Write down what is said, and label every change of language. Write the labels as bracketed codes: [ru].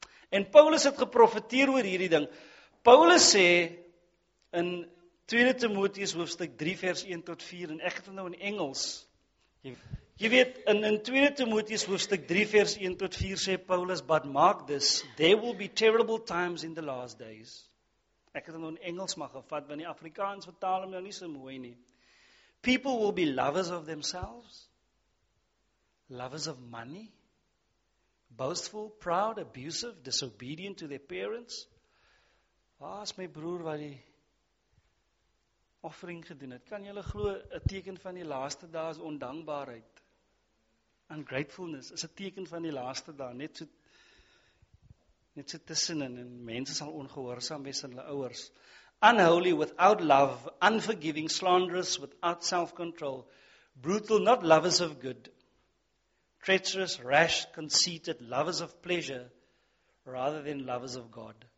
[af] En Paulus het geprofeteer oor hierdie ding. Paulus sê in 2 Timoteus hoofstuk 3 vers 1 tot 4 en ek het dit nou in Engels. Jy weet, in 2 Timoteus hoofstuk 3 vers 1 tot 4 sê Paulus, [en] but mark this, there will be terrible times in the last days. [af] Ek het hom nou in Engels maar gevat, want die Afrikaans vertaal hom nou nie so mooi nie. [en] People will be lovers of themselves, lovers of money, boastful, proud, abusive, disobedient to their parents. [af] Waar is my broer wat die offering gedoen het? Kan julle glo, 'n teken van die laaste dae is ondankbaarheid. Ungratefulness is 'n teken van die laaste dae, net so tussenin, en mense sal ongehoorsaam wees aan hulle ouers. [en] Unholy, without love, unforgiving, slanderous, without self-control, brutal, not lovers of good, treacherous, rash, conceited, lovers of pleasure, rather than lovers of God.